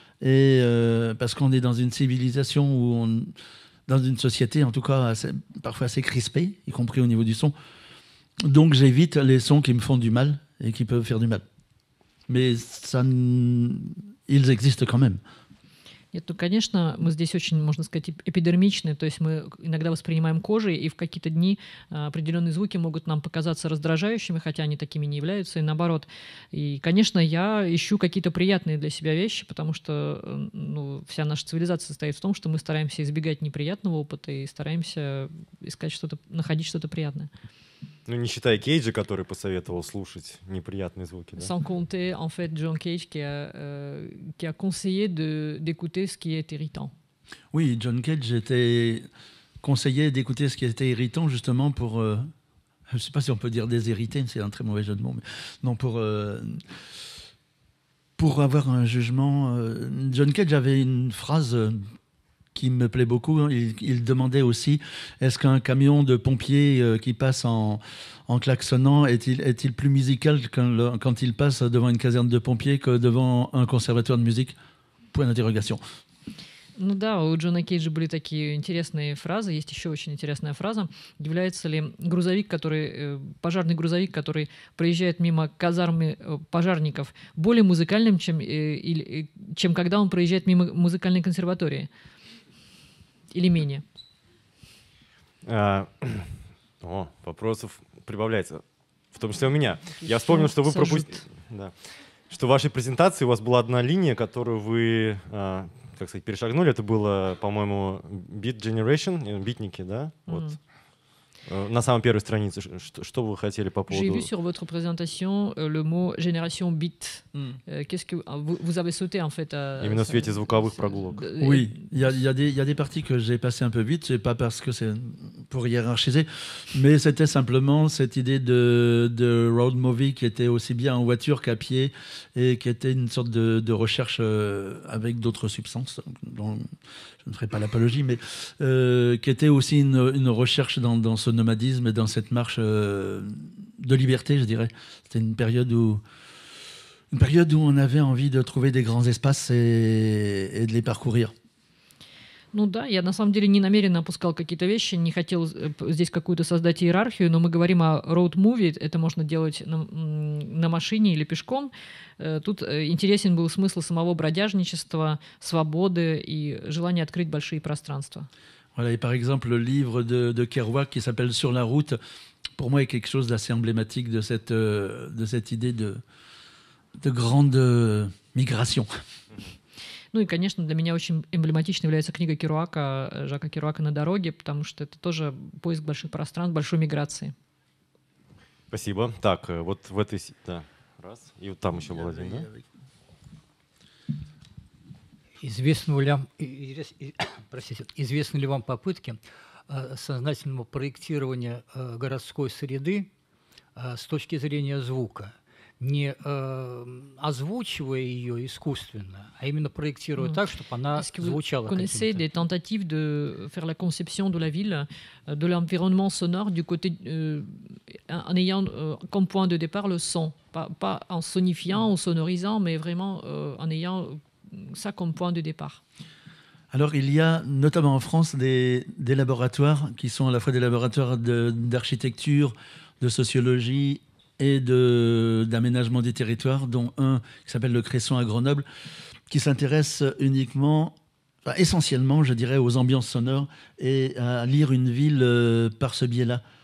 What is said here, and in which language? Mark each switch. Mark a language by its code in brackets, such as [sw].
[fr] Et parce qu'on est dans une civilisation où on, dans une société, en tout cas, assez, parfois assez crispée, y compris au niveau du son. Donc j'évite les sons qui me font du mal et qui peuvent faire du mal. Mais ça, ils existent quand même. [ru] Нет, ну, конечно, мы здесь очень, можно сказать, эпидермичны. То есть мы иногда воспринимаем кожей, и в какие-то дни определенные звуки могут нам показаться раздражающими, хотя они такими не являются, и наоборот. И, конечно, я ищу какие-то приятные для себя вещи, потому что вся наша цивилизация состоит в том, что мы стараемся избегать неприятного опыта и стараемся искать что-то, находить что-то приятное. Ну, не считая Кейджа, который посоветовал слушать неприятные звуки, да? [fr] Sans compter, en fait, John Cage qui a conseillé d'écouter ce qui est irritant. Oui, John Cage était conseillé d'écouter ce qui était irritant, justement, pour... je ne sais pas si on peut dire déshérité, c'est un très mauvais jeu de mots, mais... Non, pour avoir un jugement... John Cage avait une phrase... qui me plaît beaucoup. Il demandait aussi, est-ce qu'un camion de pompiers qui passe en klaxonnant est-il plus musical quand il passe devant une caserne de pompiers que devant un conservatoire de musique? Point d'interrogation. [ru] Ну да, у Джона Кейджа были такие интересные фразы. Есть еще очень интересная фраза. Является ли пожарный грузовик, который проезжает мимо казармы пожарников, более музыкальным, чем когда он проезжает мимо музыкальной консерватории? Или менее? Вопросов прибавляется. В том числе у меня. Я вспомнил, что вы пропустили... Да. Что в вашей презентации у вас была одна линия, которую вы как сказать, перешагнули. Это было, по-моему, Beat Generation, битники, да? Mm-hmm. Вот. На самой первой странице, что вы хотели по поводу... [fr] J'ai vu sur votre présentation le mot génération beat. Qu'est-ce que vous avez sauté en fait à... [ru] Именно в свете звуковых прогулок. [fr] Oui, il y a des parties que j'ai passées un peu vite, c'est pas parce que c'est pour hiérarchiser, mais c'était simplement cette idée de road movie qui était aussi bien en voiture qu'à pied et qui était une sorte de recherche avec d'autres substances. Donc, je ne ferai pas l'apologie, mais qui était aussi une recherche dans ce nomadisme et dans cette marche de liberté, je dirais. C'était une période où on avait envie de trouver des grands espaces et de les parcourir. [ru] Ну да, я на самом деле не намеренно опускал какие-то вещи, не хотел здесь какую-то создать иерархию, но мы говорим о road movie, это можно делать на машине или пешком. Тут интересен был смысл самого бродяжничества, свободы и желания открыть большие пространства. [fr] Voilà, et par exemple, le livre de Kerouac qui s'appelle «Sur la route», pour moi, est quelque chose d'assez emblématique de cette idée de grande migration. [ru] Ну и, конечно, для меня очень эмблематичной является книга Керуака, Жака Керуака «На дороге», потому что это тоже поиск больших пространств, большой миграции. Спасибо. Так, вот в этой... Да, раз. И вот там еще был один, да? Известны ли вам попытки сознательного проектирования городской среды с точки зрения звука? Не озвучивая ее искусственно, а именно проектируя так, чтобы она звучала. [fr] Connaissez des tentatives de faire la conception de la ville, de l'environnement sonore du côté en ayant comme point de départ le son, pas en sonifiant ou sonorisant, mais vraiment en ayant ça comme point de départ. Alors il y a notamment en France des laboratoires qui sont à la fois des laboratoires d'architecture, de sociologie et d'aménagement des territoires, dont un qui s'appelle le Cresson à Grenoble, qui s'intéresse uniquement, essentiellement, je dirais, aux ambiances sonores et à lire une ville par ce biais-là.